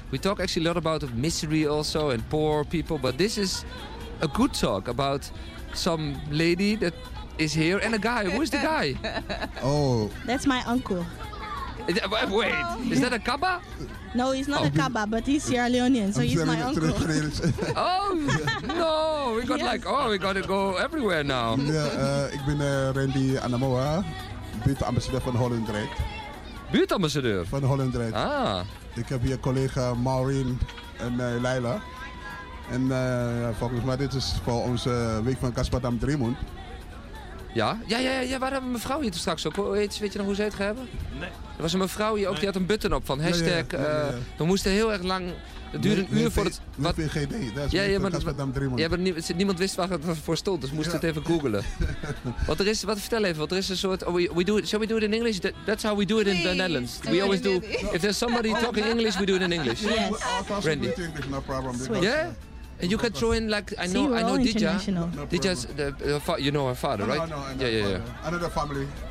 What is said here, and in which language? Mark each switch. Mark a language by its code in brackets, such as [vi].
[en] We talk actually a lot about misery also and poor people, but this is a good talk about some lady that is here and a guy. Who's the guy? Oh. That's my uncle. Wait, is that a Kaba? No, he's not a Kaba, but he's Sierra Leonean, so he's my uncle. Oh, yeah. No, we got yes. like, oh, we got to go everywhere now. [nl] Ik ben Randy Anamoa, buurtambassadeur van Hollandrijk. Buurtambassadeur? Van Hollandrijk. Ah. Ik heb hier collega Maureen en Leila. En volgens mij, dit is voor onze week van Kasperdam Driemond. Ja? Ja, waar hebben we een mevrouw hier toen straks ook? Weet je nog hoe ze het gaat hebben? Nee. Er was een mevrouw hier ook, die had een button op van hashtag. Ja, ja, ja, ja, ja. We moesten heel erg lang, het duurde een uur voor het... Wat? WPGD, dat is Kasperdam Driemond. Ja, niemand wist waar het voor stond, dus moesten het even googlen. [en] Wat er is een soort... Shall we do it in English? That's how we do it in the Netherlands. We always do... If there's somebody talking English, we do it in English. Yes. Randy. No problem. Yeah? And you can throw in, like, I know Dija. Dija's, you know her father, right? No, yeah, yeah, yeah. Another family.